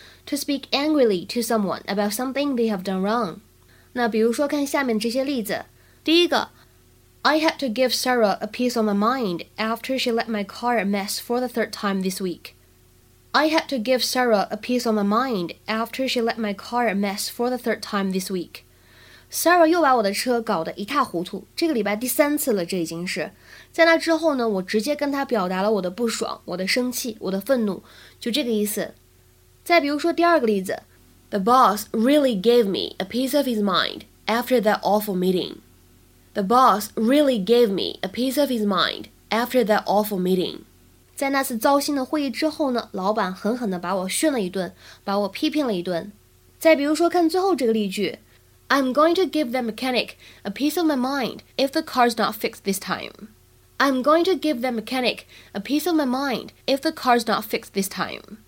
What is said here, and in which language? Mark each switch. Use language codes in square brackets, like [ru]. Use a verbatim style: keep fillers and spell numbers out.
[en] To speak angrily to someone about something they have done wrong。 [zh] 那比如说看下面这些例子。第一个 [en] I had to give Sarah a piece of my mind after she let my car a mess for the third time this week. I had to give Sarah a piece of my mind after she let my car a mess for the third time this week. [zh] Sarah 又把我的车搞得一塌糊涂，这个礼拜第三次了，这已经是。在那之后呢，我直接跟她表达了我的不爽、我的生气、我的愤怒，就这个意思。再比如说第二个例子 [en] ，The boss really gave me a piece of his mind after that awful meeting. The boss really gave me a piece of his mind after that awful meeting. [zh] 在那次糟心的会议之后呢，老板狠狠地把我训了一顿，把我批评了一顿。再比如说看最后这个例句 [en] I'm going to give that mechanic a piece of my mind if the car's not fixed this time. I'm going to give that mechanic a piece of my mind if the car's not fixed this time.